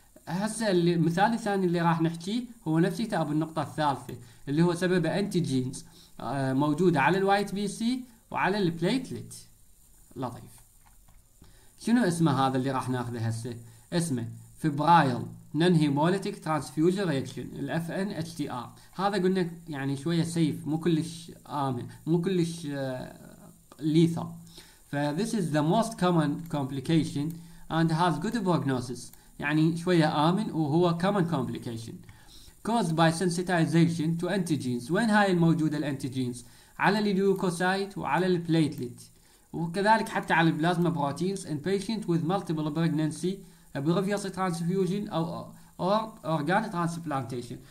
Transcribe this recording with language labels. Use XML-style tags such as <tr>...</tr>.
<ar>هسه المثال الثاني اللي راح نحكيه هو نفس كتاب النقطه الثالثه اللي هو سببه انتي جينز موجوده على الوايت بي سي وعلى البليتلت. لطيف. شنو اسمه هذا اللي راح ناخذه هسه؟ اسمه فيبرايل نون هيموليتيك ترانسفيوجن ريكشن الاف ان اتش تي ار. هذا قلنا يعني شويه سيف، مو كلش امن، مو كلش ليثر.</ar> <en>ف this is the most common complication and has good prognosis،</en> <ar>يعني شويه امن وهو</ar> <en>common complication. Caused by sensitization to antigens.</en> <ar>وين هاي الموجودة الانتيجينز؟ على اليوكوسايت وعلى البليتليت، وكذلك حتى على البلازما بروتينز</ar> <en>in patient with multiple pregnancy, a previous transfusion or organ transplantation.</en>